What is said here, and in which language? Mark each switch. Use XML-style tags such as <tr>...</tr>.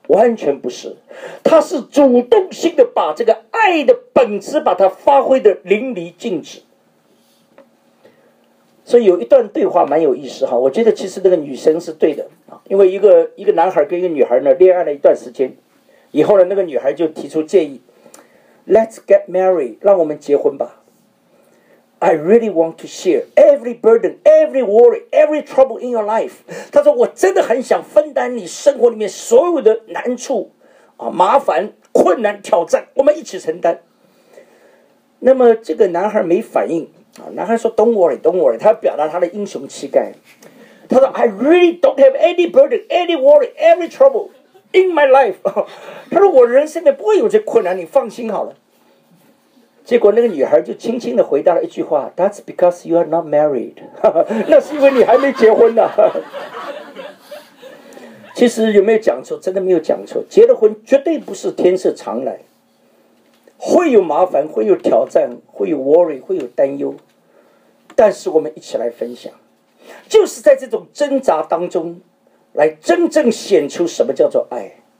<zh>完全不是，他是主动性的把这个爱的本质把它发挥的淋漓尽致。所以有一段对话蛮有意思哈，我觉得其实那个女生是对的，因为一个男孩跟一个女孩呢恋爱了一段时间以后呢，那个女孩就提出建议，</zh> <en>Let's get married，</en> <zh>让我们结婚吧。</zh> <en>I really want to share every burden, every worry, every trouble in your life。</en> <zh>她说我真的很想分担你生活里面所有的难处、麻烦、困难、挑战，我们一起承担。那么这个男孩没反应，男孩说</zh> <en>Don't worry, don't worry，</en> <zh>他表达他的英雄气概。他说</zh> <en>I really don't have any burden, any worry, every trouble in my life。</en> <zh>他说我人生里不会有这困难，你放心好了。结果那个女孩就轻轻地回答了一句话，</zh> <en>That's because you are not married。</en> <zh>那是因为你还没结婚呢。其实有没有讲错？真的没有讲错，结了婚绝对不是天色常来，会有麻烦，会有挑战，会有 worry， 会有担忧，但是我们一起来分享，就是在这种挣扎当中来真正显出什么叫做爱。</zh>